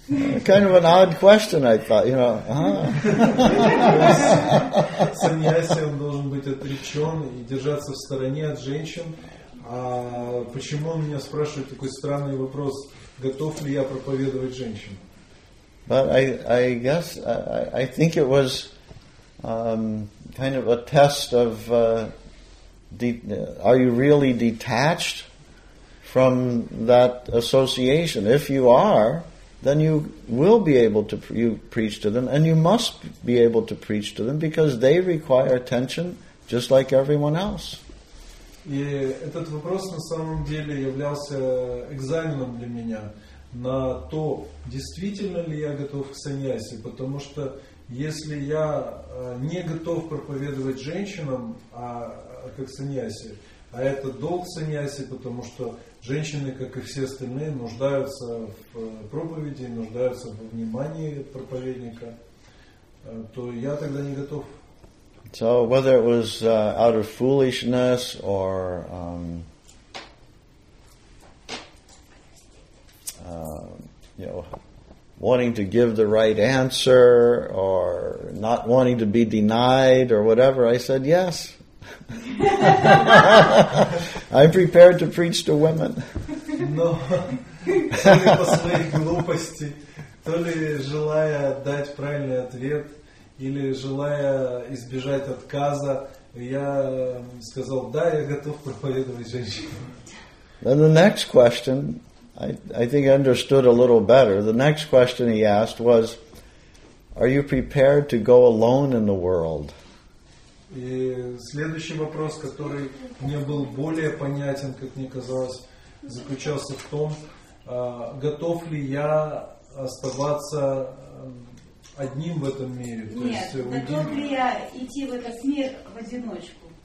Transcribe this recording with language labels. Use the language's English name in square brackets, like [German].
[English] Kind of an odd question, I thought, you know. [Russian] Саньяси, он должен быть отречен и держаться в стороне от женщин. А почему он меня спрашивает такой странный вопрос, готов ли я проповедовать женщин? [English] But I guess, I think it was kind of a test of, are you really detached from that association? If you are, then you will be able to preach to them, and you must be able to preach to them because they require attention just like everyone else. И этот вопрос на самом деле являлся экзаменом для меня на то, действительно ли я готов к саньясе, потому что если я не готов проповедовать женщинам, а как саньясе, а это долг саньяси, потому что женщины, как и все остальные, нуждаются в проповеди, нуждаются во внимании проповедника, то я тогда не готов. So whether it was out of foolishness or you know, wanting to give the right answer or not wanting to be denied or whatever, I said yes. I'm prepared to preach to women. [Russian] Но то ли по своей глупости, то ли желая дать правильный ответ, или желая избежать отказа, я сказал: да, я готов проповедовать женщинам. [English] Then the next question, I think I understood a little better. The next question he asked was, "Are you prepared to go alone in the world?" [Russian] И следующий вопрос, который мне был более понятен, как мне казалось, заключался в том, готов ли я оставаться одним в этом мире? Нет, то есть, готов уйдем... ли я идти в этот мир в одиночку?